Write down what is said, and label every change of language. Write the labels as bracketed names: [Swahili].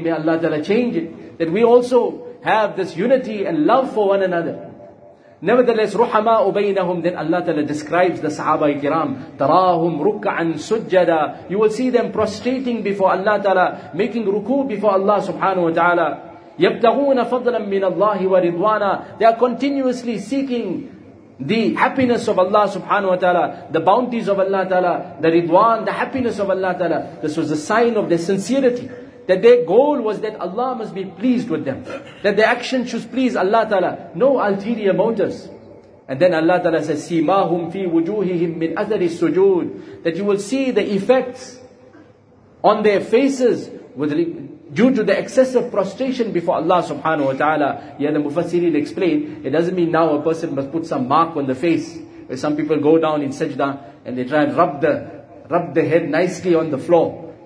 [English] May Allah Ta'ala change it. That we also have this unity and love for one another. Nevertheless, [Arabic] رُحَمَاءُ بَيْنَهُمْ, [English] then Allah Ta'ala describes the Sahaba Ikram. [Arabic] تَرَاهُمْ رُكَّعًا سُجَّدًا, [English] you will see them prostrating before Allah Ta'ala, making ruku before Allah Subhanahu Wa Ta'ala. [Arabic] يَبْتَغُونَ فَضْلًا مِّنَ اللَّهِ وَرِضْوَانًا, [English] they are continuously seeking the happiness of Allah subhanahu wa ta'ala, the bounties of Allah ta'ala, the ridwan, the happiness of Allah ta'ala. This was a sign of their sincerity. That their goal was that Allah must be pleased with them. That their action should please Allah ta'ala. No ulterior motives. And then Allah ta'ala says, [Arabic] سِيْمَاهُمْ فِي وُجُوهِهِمْ مِنْ أَثَرِ السُّجُودِ. [English] That you will see the effects on their faces with due to the excessive prostration before Allah subhanahu wa ta'ala. Yeah, the Mufassirin explained, it doesn't mean now a person must put some mark on the face. Where some people go down in sajda and they try and rub the head nicely on the floor.